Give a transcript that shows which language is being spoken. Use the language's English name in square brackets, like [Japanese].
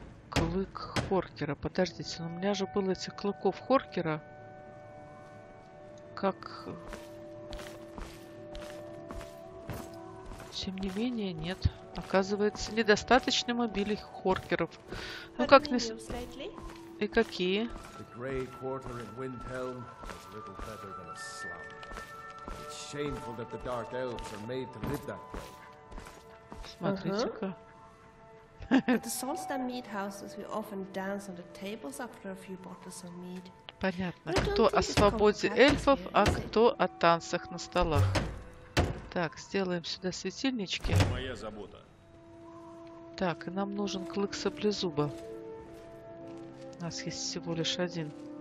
[Russian] Клык Хоркера. Подождите, но у меня же было этих клыков Хоркера. Как... Тем не менее, нет. Оказывается, недостаточно мы били Хоркеров. Ну, как не... И какие? [English] Grey quarter in Windhelm is little better than a slum. It's shameful that the dark elves are made to live that way. [Russian] Смотрите-ка. [English] At the Solstam meat houses we often dance on the tables after a few bottles of mead. [Russian] Понятно. Кто о свободе эльфов, а кто о танцах на столах. Так, сделаем сюда светильнички. Это моя забота. Так, и нам нужен клык соплезуба. У нас есть всего лишь один.